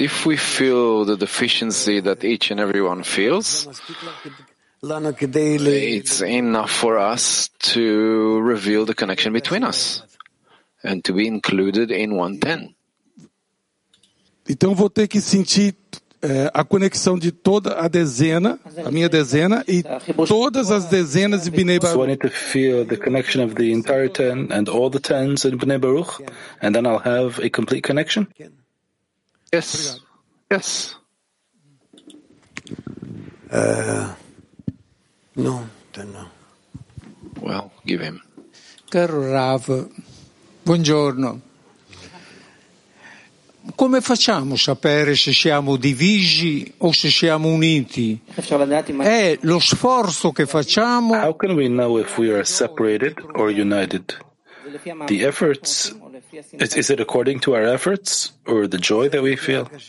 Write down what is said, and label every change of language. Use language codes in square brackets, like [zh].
[en] If we feel the deficiency that each and everyone feels, it's enough for us to reveal the connection between us and to be included in one ten. [pt] Então vou ter que sentir a conexão de toda a dezena, a minha dezena e todas as dezenas de Bnei Baruch. [en] So I need to feel the connection of the entire ten and all the tens in Bnei Baruch, and then I'll have a complete connection. Yes, yes. No, then no. Well, give him. [it] Caro Rav, buongiorno. Come facciamo a sapere se siamo divisi o se siamo uniti? È lo sforzo che facciamo. [en] How can we know if we are separated or united? The efforts, is it according to our efforts or the joy that we feel?